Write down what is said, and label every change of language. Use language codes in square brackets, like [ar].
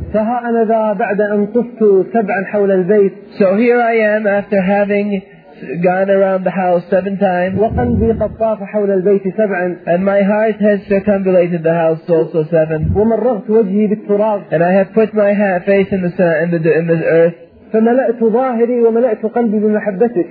[ar] فها أنا ذا بعد أن طفت سبعا حول البيت. [en] So here I am after having gone around the house seven times. [ar] وقلبي قد طاف حول البيت سبعا. [en] And my heart has circumambulated the house also seven. [ar] ومررت وجهي بالتراب. [en] And I have put my face in the earth. [ar] فملأت ظاهري وملأت قلبي بمحبتك.